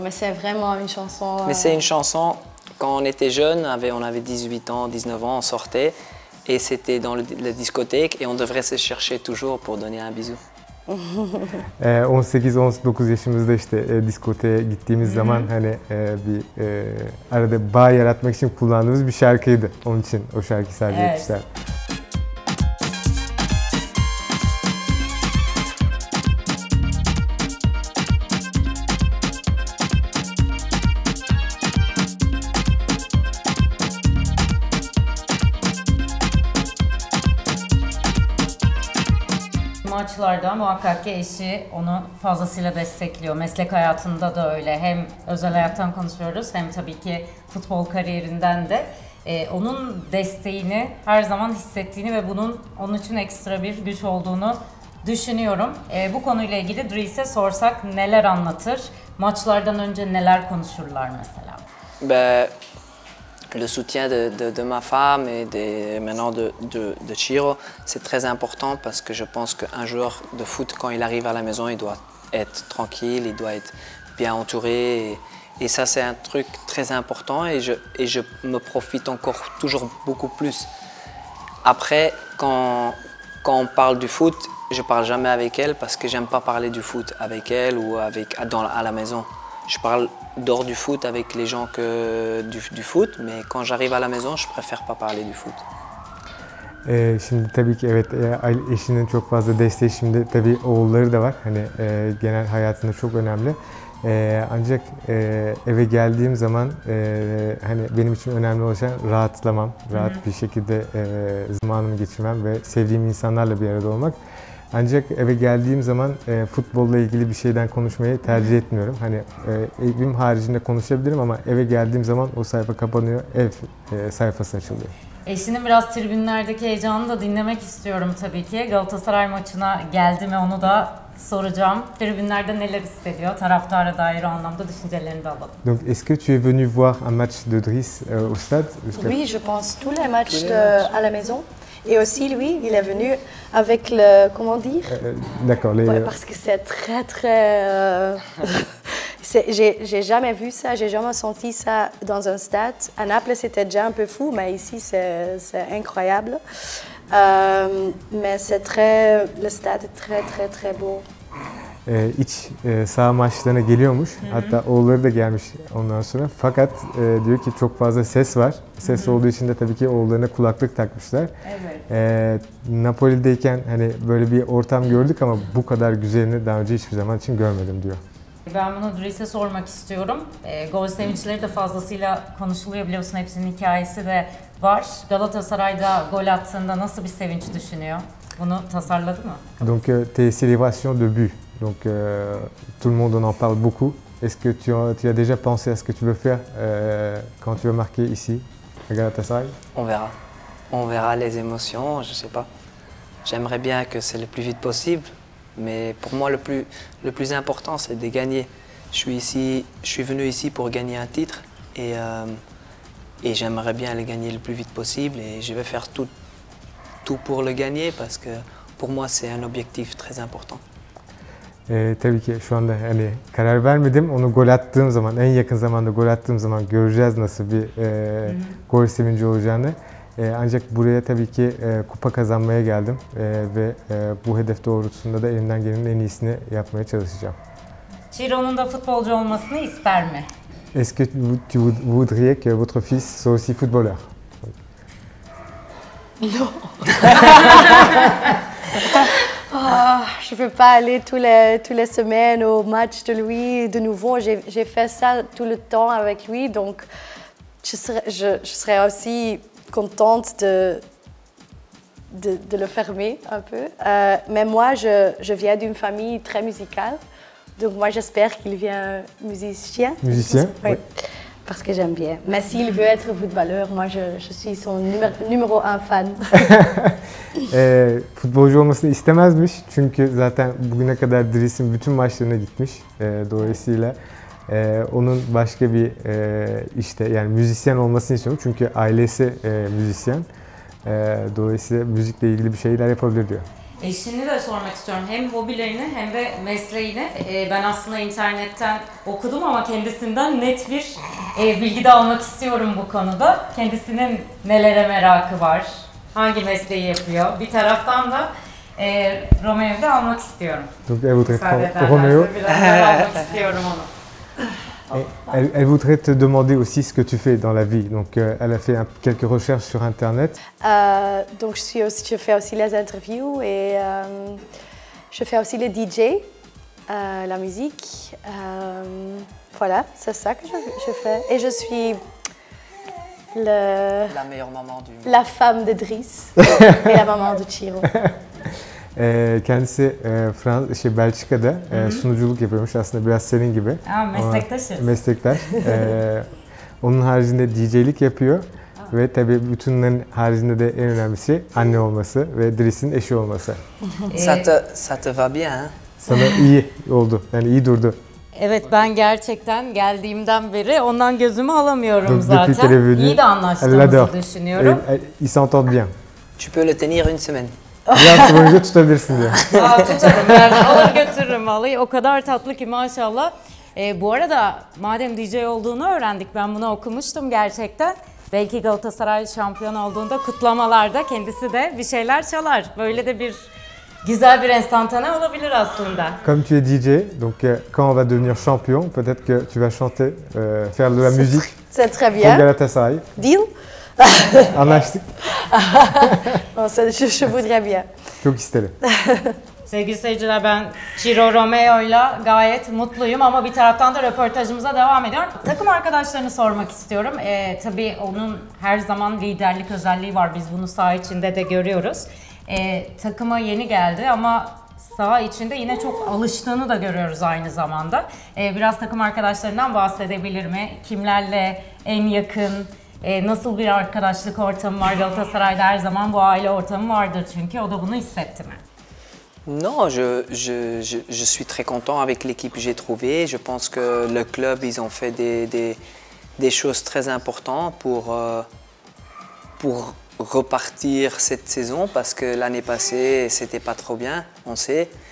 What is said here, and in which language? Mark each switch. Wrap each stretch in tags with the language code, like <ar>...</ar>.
<fr>Mais c'est vraiment une chanson. Mais c'est une chanson. Quand on était jeune, on avait 18 ans, 19 ans, on sortait et c'était dans la discothèque et on devrait se chercher toujours pour donner un bisou.</fr> <tr>18-19 yaşımızda işte diskoteye gittiğimiz zaman hani bir arada bağ yaratmak için kullandığımız bir şarkıydı. Onun için o şarkı sadece evet. Yetişler. Maçlarda muhakkak ki eşi onu fazlasıyla destekliyor. Meslek hayatında da öyle. Hem özel hayattan konuşuyoruz hem tabii ki futbol kariyerinden de. Onun desteğini her zaman hissettiğini ve bunun onun için ekstra bir güç olduğunu düşünüyorum. Bu konuyla ilgili Dries'e sorsak neler anlatır? Maçlardan önce neler konuşurlar mesela?</tr> <fr>Le soutien de ma femme et maintenant de Chiro, c'est très important parce que je pense qu'un joueur de foot, quand il arrive à la maison, il doit être tranquille, il doit être bien entouré. Et ça, c'est un truc très important et je me profite encore toujours beaucoup plus. Après, quand on parle du foot, je ne parle jamais avec elle parce que je n'aime pas parler du foot avec elle ou à la maison. Je parle dehors du foot avec les gens que du foot, mais quand j'arrive à la maison, je préfère pas parler du foot.</fr> <tr>Şimdi tabii ki evet, eşinin çok fazla desteği, şimdi tabii oğulları da var. Hani genel hayatında çok önemli. Ancak eve geldiğim zaman hani benim için önemli olan rahatlamam, rahat bir şekilde zamanımı geçirmem ve sevdiğim insanlarla bir arada olmak. Ancak eve geldiğim zaman futbolla ilgili bir şeyden konuşmayı tercih etmiyorum. Hani evim haricinde konuşabilirim ama eve geldiğim zaman o sayfa kapanıyor, ev sayfası açılıyor. Eşinin biraz tribünlerdeki heyecanını da dinlemek istiyorum tabii ki. Galatasaray maçına geldi mi onu da soracağım. Tribünlerde neler hissediyor? Taraftara dair anlamda düşüncelerini de alalım.</tr> <fr>Donc est-ce que tu es venu voir un match de Dries au stade? Oui, je pense tous les matchs à la maison. Et aussi lui, il est venu avec le, comment dire? D'accord. Parce que c'est très très. j'ai jamais vu ça, j'ai jamais senti ça dans un stade. À Naples, c'était déjà un peu fou, mais ici, c'est incroyable. Mais c'est très, le stade est très très très beau.</fr> <tr>İç saha maçlarına geliyormuş. Hı-hı. Hatta oğulları da gelmiş ondan sonra. Fakat diyor ki çok fazla ses var. Ses Hı-hı. olduğu için de tabii ki oğullarına kulaklık takmışlar. Evet. Napoli'deyken hani böyle bir ortam gördük ama bu kadar güzelini daha önce hiçbir zaman için görmedim diyor. Ben bunu Dries'e sormak istiyorum. Gol sevinçleri de fazlasıyla konuşuluyor biliyorsun. Hepsinin hikayesi de var. Galatasaray'da gol attığında nasıl bir sevinç düşünüyor? Bunu tasarladı mı?</tr> <fr>Donc tes célébrations de but. Donc tout le monde en parle beaucoup. Est-ce que tu as déjà pensé à ce que tu veux faire quand tu veux marquer ici à Galatasaray? On verra les émotions, je sais pas. J'aimerais bien que c'est le plus vite possible, mais pour moi le plus important c'est de gagner. Je suis venu ici pour gagner un titre et j'aimerais bien le gagner le plus vite possible et je vais faire tout pour le gagner parce que pour moi c'est un objectif très important.</fr> <tr>Tabii ki şu anda hani karar vermedim. Onu gol attığım zaman, en yakın zamanda gol attığım zaman göreceğiz nasıl bir gol sevinci olacağını. Ancak buraya tabii ki kupa kazanmaya geldim. Ve bu hedef doğrultusunda da elimden gelenin en iyisini yapmaya çalışacağım. Chiro'nun da futbolcu olmasını ister mi?</tr> <fr>Est-ce que tu voudrais que votre fils soit aussi footballeur?</fr> <en>No.</en> <fr>Je ne peux pas aller toutes les semaines au match de lui de nouveau. J'ai fait ça tout le temps avec lui, donc je serais aussi contente de le fermer un peu. Mais moi, je viens d'une famille très musicale, donc moi j'espère qu'il vient musicien. Musicien, oui. Parce que j'aime bien. Mais s'il veut être footballeur, moi je suis son numéro un fan.</fr> <tr>Futbolcu olmasını istemezmiş çünkü zaten bugüne kadar Dries'in bütün maçlarına gitmiş. Dolayısıyla onun başka bir işte yani müzisyen olmasını istiyormuş çünkü ailesi müzisyen. Dolayısıyla müzikle ilgili bir şeyler yapabilir diyor. Eşini de sormak istiyorum. Hem hobilerini hem de mesleğini. Ben aslında internetten okudum ama kendisinden net bir bilgi de almak istiyorum bu konuda. Kendisinin nelere merakı var? Hangi mesleği yapıyor? Bir taraftan da Romeo'yu da almak istiyorum.</tr> <fr>Donc elle voudrait prendre Romeo.</fr> <tr>Biraz almak istiyorum onu.</tr> <fr>Elle voudrait te demander aussi ce que tu fais dans la vie. Donc, elle a fait quelques recherches sur Internet. Donc, je fais aussi les interviews et je fais aussi le DJ, la musique. Voilà, c'est ça que je fais. Et je suis la meilleure maman du monde. La femme de Dries et la maman de Chiro.</fr> <tr>Kendisi Belçika'da sunuculuk yapıyormuş aslında biraz senin gibi. Meslektaş. Onun haricinde DJ'lik yapıyor. Aa. Ve tabii bütünlerin haricinde de en önemlisi anne olması ve Dries'in eşi olması.</tr> <fr>Ça te va bien.</fr> <tr>Sana iyi oldu, yani iyi durdu. Evet, ben gerçekten geldiğimden beri ondan gözümü alamıyorum zaten. İyi de anlaştığımızı düşünüyorum.</tr> <fr>Il s'entend bien. Tu peux le tenir une semaine.</fr> <tr>Biraz boyunca tutabilirsin diye. Tutarım yani, alır götürürüm vallahi. O kadar tatlı ki maşallah. Bu arada madem DJ olduğunu öğrendik, ben bunu okumuştum gerçekten. Belki Galatasaray şampiyon olduğunda kutlamalarda kendisi de bir şeyler çalar. Böyle de bir güzel bir enstantane olabilir aslında.</tr> <fr>Comme tu es DJ, donc quand on va devenir champion, peut-être que tu vas chanter, faire de la musique. C'est très bien. Pour Galatasaray.</fr> <en>Deal.</en> <tr>Anlaştık.</tr> <fr>Je voudrais bien.</fr> <tr>Çok isterim. Sevgili seyirciler, ben Ciro Romeo'yla gayet mutluyum ama bir taraftan da röportajımıza devam ediyorum. Takım arkadaşlarını sormak istiyorum. Tabii onun her zaman liderlik özelliği var. Biz bunu saha içinde de görüyoruz. Takıma yeni geldi ama saha içinde yine çok alıştığını da görüyoruz aynı zamanda. Biraz takım arkadaşlarından bahsedebilir mi? Kimlerle en yakın? Nasıl bir arkadaşlık ortamı var Galatasaray'da? Her zaman bu aile ortamı vardır çünkü. O da bunu hissetti mi?</tr> <fr>Non, je suis très content avec l'équipe que j'ai trouvé. Je pense que le club, ils ont fait des choses très importantes pour repartir cette saison parce que l'année passée, c'était pas trop bien, on sait.</fr>